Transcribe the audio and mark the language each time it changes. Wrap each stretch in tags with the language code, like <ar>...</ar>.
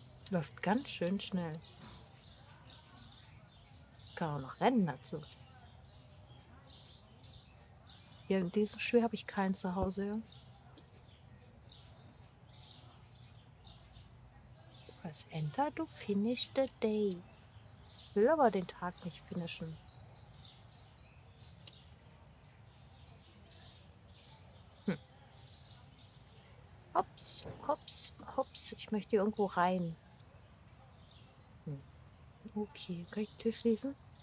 <de>Läuft ganz schön schnell. Kann auch noch rennen dazu. Ja, in diesem Schuh habe ich kein Zuhause.</de> <en>Press Enter to finish the day.</en> <de>Will aber den Tag nicht finishen. Hops, hops, hops. Ich möchte hier irgendwo rein. Okay, kann ich die Tür schließen?</de>